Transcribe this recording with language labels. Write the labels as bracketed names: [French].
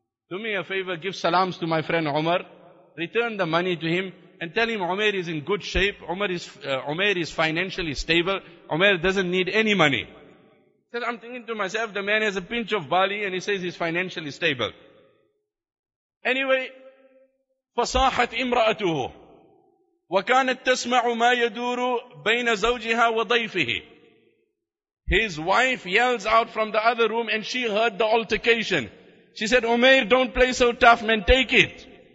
[English] Do me a favor, give salams to my friend Umar. Return the money to him and tell him Umair is in good shape. Umair is financially stable. Umair doesn't need any money. Said, I'm thinking to myself, the man has a pinch of barley and he says he's financially stable. Anyway, [Arabic] فصاحت امرأته وكانت تسمع ما يدور بين زوجها وضيفه. [English] His wife yells out from the other room and she heard the altercation. She said, Umair, don't play so tough, man, take it.